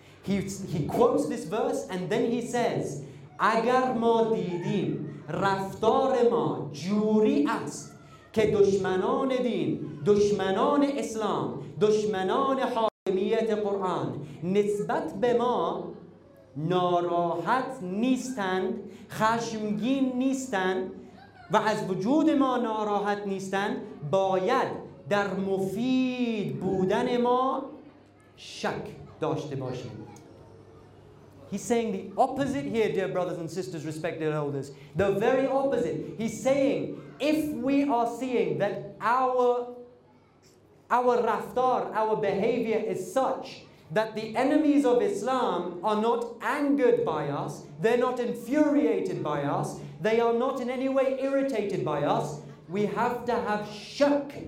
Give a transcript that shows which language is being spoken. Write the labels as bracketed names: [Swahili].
[English] He quotes this verse and then he says, [Persian] agar ma didim raftar ma juri ast ke dushmanan din, dushmanan Islam, dushmanan hakimiyat Quran nisbat be ma ناراحت نیستند، خشمگین نیستند و از وجود ما ناراحت نیستند، باید در مفید بودن ما شک داشته باشیم. [English] He's saying the opposite here, dear brothers and sisters, respected elders. The very opposite. He's saying, if we are seeing that our raftar, our behavior is such that the enemies of Islam are not angered by us, they're not infuriated by us, they are not in any way irritated by us, we have to have shak.